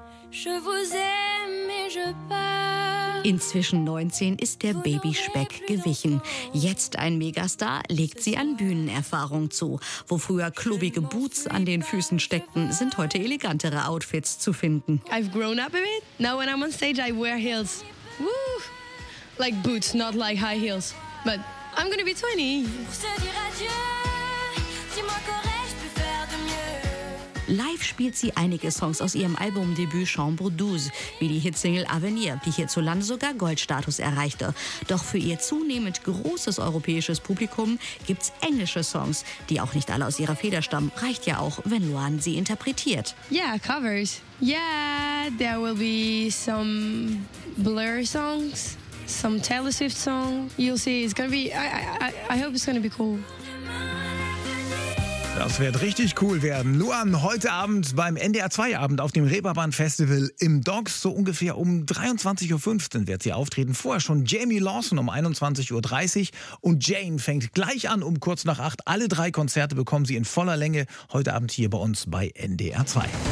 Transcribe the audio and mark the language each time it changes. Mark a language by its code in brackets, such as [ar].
[fr] Je vous aime et je pars. [de] Inzwischen 19 ist der Babyspeck gewichen. Jetzt ein Megastar, legt sie an Bühnenerfahrung zu. Wo früher klobige Boots an den Füßen steckten, sind heute elegantere Outfits zu finden. [en] I've grown up a bit. Now when I'm on stage, I wear heels. Woo! Like boots, not like high heels. But I'm gonna be 20. [de] Live spielt sie einige Songs aus ihrem Albumdebüt Chambre 12, wie die Hitsingle Avenir, die hierzulande sogar Goldstatus erreichte. Doch für ihr zunehmend großes europäisches Publikum gibt's englische Songs, die auch nicht alle aus ihrer Feder stammen. Reicht ja auch, wenn Luan sie interpretiert. [en] Yeah, covers. Yeah, there will be some Blur songs, some Taylor Swift songs. You'll see, it's gonna be, I hope it's gonna be cool. [de] Das wird richtig cool werden. Luan, heute Abend beim NDR2-Abend auf dem Reeperbahn-Festival im Docks, so ungefähr um 23.15 Uhr wird sie auftreten. Vorher schon Jamie Lawson um 21.30 Uhr und Jane fängt gleich an um kurz nach 8. Alle drei Konzerte bekommen Sie in voller Länge heute Abend hier bei uns bei NDR2.